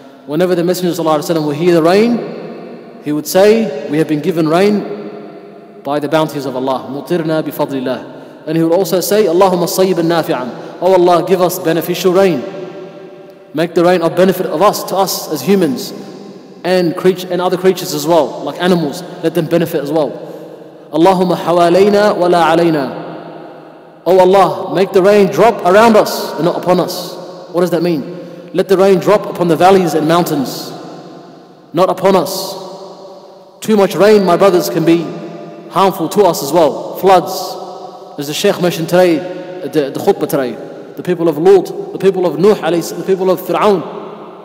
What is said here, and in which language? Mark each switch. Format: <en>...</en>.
<en>Whenever the Messenger</en> <ar>صلى الله عليه وسلم</ar> <en>would hear the rain, he would say, we have been given rain by the bounties of Allah.</en> <ar>مُطِرْنَا بِفَضْلِ اللَّهِ.</ar> <en>And he would also say,</en> <ar>اللَّهُمَّ صَيِّبًا نَافِعًا.</ar> <en>Oh Allah, give us beneficial rain. Make the rain of benefit of us, to us as humans and other creatures as well, like animals. Let them benefit as well.</en> <ar>اللهم حوالينا ولا علينا.</ar> <en>Oh Allah, make the rain drop around us and not upon us. What does that mean? Let the rain drop upon the valleys and mountains, not upon us. Too much rain, my brothers, can be harmful to us as well. Floods. As the Shaykh mentioned today, the khutbah today, the people of Lut, the people of Nuh, the people of Fir'aun.</en>